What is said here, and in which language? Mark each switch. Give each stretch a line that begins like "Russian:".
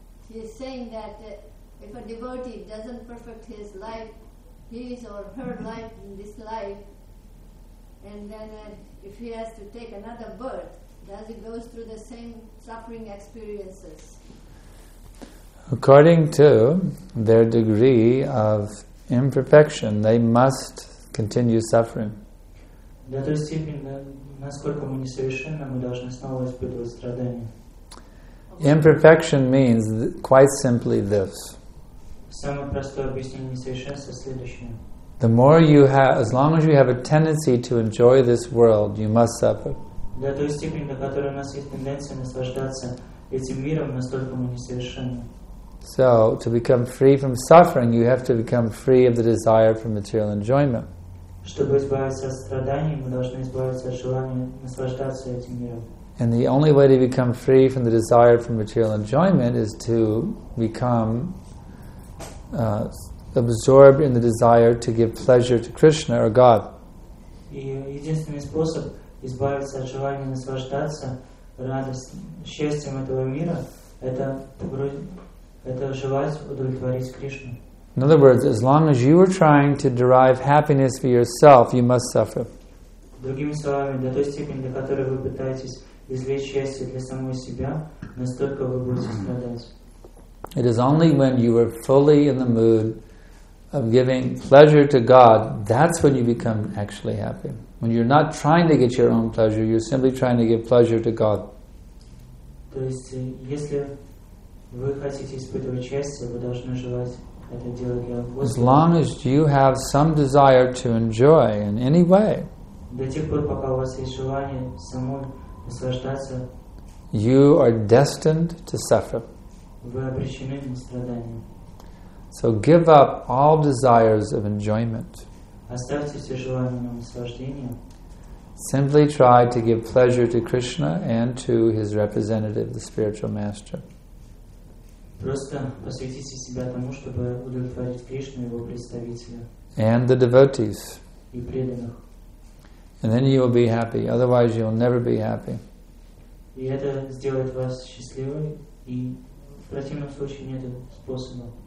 English: He is saying that if a devotee doesn't perfect his life, his or her life in this life, and then if he has to take another birth, does he go through the same suffering experiences? According to their degree of imperfection, they must continue suffering. That is keeping them.
Russian: Насколько мы несовершенны, мы должны снова испытывать страдания.
English: Imperfection means quite simply this.
Russian: Самое простое объяснение несовершенства следующее.
English: The more you have, as long as you have a tendency to enjoy this world, you must suffer.
Russian: До той степени, до которой у нас есть тенденция наслаждаться этим миром, настолько мы несовершенны.
English: So, to become free from suffering, you have to become free of the desire for material enjoyment.
Russian: Чтобы избавиться от страданий, мы должны избавиться от желания наслаждаться этим миром.
English: And the only way to become free from the desire for material enjoyment is to become absorbed in the desire to give pleasure to Krishna or God.
Russian: И единственный способ избавиться от желания наслаждаться радостью, счастьем этого мира, это желать удовлетворить Кришну.
English: In other words, as long as you are trying to derive happiness for yourself, you must suffer.
Russian: Другими словами, до той степени, до которой вы пытаетесь извлечь счастье для самого себя, настолько вы будете страдать.
English: It is only when you are fully in the mood of giving pleasure to God, that's when you become actually happy. When you're not trying to get your own pleasure, you're simply trying to give pleasure to God.
Russian: То есть, если вы хотите испытывать счастье, вы должны желать это делать для Господа.
English: As long as you have some desire to enjoy in any way,
Russian: до тех пор, пока у вас есть желание самой наслаждаться,
English: you are destined to suffer.
Russian: Вы обречены на страдания.
English: So give up all desires of enjoyment.
Russian: Оставьте все желания на наслаждение.
English: Simply try to give pleasure to Krishna and to his representative, the spiritual master.
Russian: Просто посвятите себя тому, чтобы удовлетворить Кришну и его представителя.
English: And the devotees.
Russian: И преданных.
English: And then you will be happy. Otherwise, you will never be happy.
Russian: И это сделает вас счастливыми, и в противном случае нет способа.